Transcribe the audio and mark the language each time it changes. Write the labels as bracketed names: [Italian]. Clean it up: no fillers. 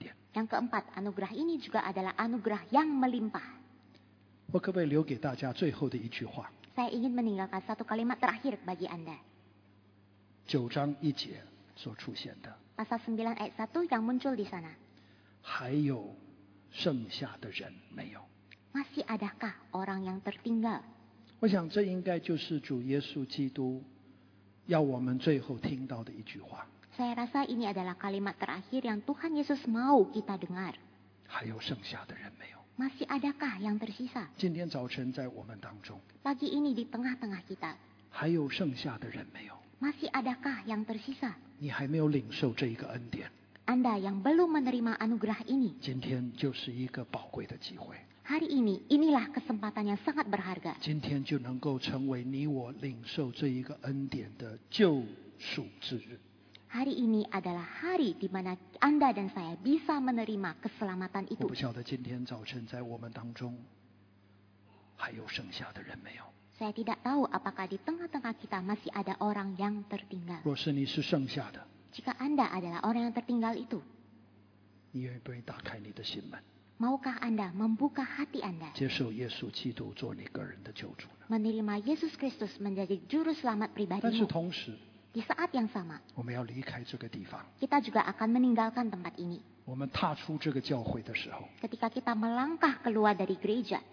[Indonesian] Yang keempat, anugerah ini juga adalah anugerah yang melimpah. [Chinese] 我可不可以留给大家最后的一句话？ [Indonesian] Saya ingin meninggalkan satu kalimat terakhir bagi anda. [Chinese] 九章一节所出现的。 [Indonesian] Pasal 9 ayat 1 yang muncul di sana. [Chinese] 还有剩下的人没有？ [Indonesian] Masih adakah orang yang tertinggal? [Chinese] 我想这应该就是主耶稣基督要我们最后听到的一句话。 [Indonesian] Saya rasa ini adalah kalimat terakhir yang Tuhan Yesus mau kita dengar. [Chinese] 还有剩下的人没有？ [Indonesian] Masih adakah yang tersisa? [Chinese] 今天早晨在我们当中。 [Indonesian] Pagi ini di tengah-tengah kita. [Chinese] 还有剩下的人没有？ [Indonesian] Masih adakah yang tersisa? [Chinese] 你还没有领受这一个恩典。 [Indonesian] Anda yang belum menerima anugerah ini. [Chinese] 今天就是一个宝贵的机会。 [Indonesian] Hari ini, inilah kesempatan yang sangat berharga. [Chinese] 今天就能够成为你我领受这一个恩典的救赎之日。 [Indonesian] Hari ini adalah hari di mana Anda dan saya bisa menerima keselamatan itu. [Chinese] 我不晓得今天早晨在我们当中还有剩下的人没有。 [Indonesian] Saya tidak tahu apakah di tengah-tengah kita masih ada orang yang tertinggal. [Chinese] 若是你是剩下的。 [Indonesian] Jika Anda adalah orang yang tertinggal itu. [Chinese] 你愿不愿意打开你的心门？ [Indonesian] Maukah anda membuka hati anda? [Chinese] 接受耶稣基督做你个人的救主呢？ [Indonesian] Menerima Yesus Kristus menjadi juru selamat pribadimu. [Chinese] 但是同时， [Indonesian] di saat yang sama, [Chinese] 我们要离开这个地方。 [Indonesian] Kita juga akan meninggalkan tempat ini. [Chinese] 我们踏出这个教会的时候， [Indonesian] ketika kita melangkah keluar dari gereja,